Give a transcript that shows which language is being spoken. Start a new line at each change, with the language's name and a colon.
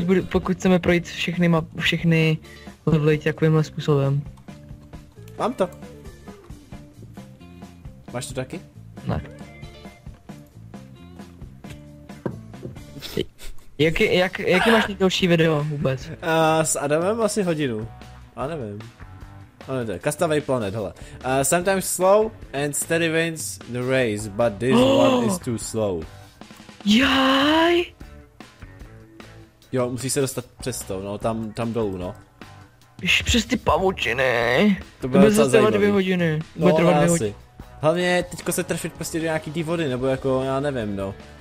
Czech: pokud chceme projít všechny map, všechny levely takovýmhle způsobem. Mám to. Máš to taky? Ne. Jaký máš nejdelší video vůbec? S Adamem asi hodinu. A nevím. Ano, to je Castaway Planet, hele.
English: Sometimes slow and steady wins the race, but this one is too slow. Jaj!
Czech: Jo, musíš se dostat přes to, no, tam dolů, no. Ještě přes ty pavučiny. To bude docela zajímavý. 2 hodiny. No, bude trvat 2 hodiny. Hlavně teďko se trefit prostě do nějaký tý vody, nebo jako, já nevím, no.